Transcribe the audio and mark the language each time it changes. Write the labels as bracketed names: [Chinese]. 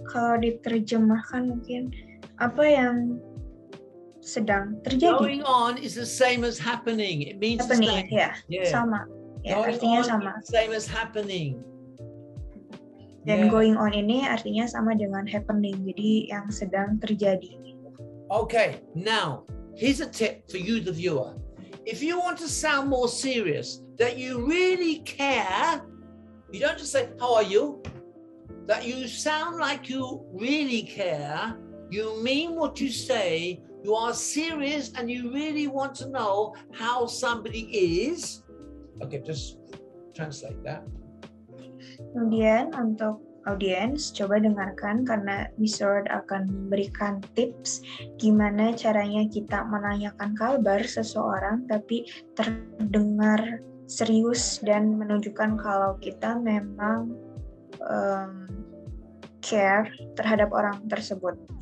[Indonesian] Kalau diterjemahkan mungkin apa yang sedang terjadi. [English] Going on is the same as happening. It means happening, the same. [Indonesian] Ya, sama. Ya, [English] going [Indonesian] artinya [English] on [Indonesian] sama. [English] Is the same as happening. [Indonesian] Dan going on ini artinya sama dengan happening. Jadi yang sedang terjadi. [English] Okay, now here's a tip for you, the viewer. If you want to sound more serious, that you really care. You don't just say, how are you? That you sound like you really care. You mean what you say. You are serious and you really want to know how somebody is. Okay, just translate that. [Indonesian] Kemudian untuk audiens, coba dengarkan karena Miss Ward akan memberikan tips gimana caranya kita menanyakan kabar seseorang tapi terdengar serius dan menunjukkan kalau kita memang care terhadap orang tersebut.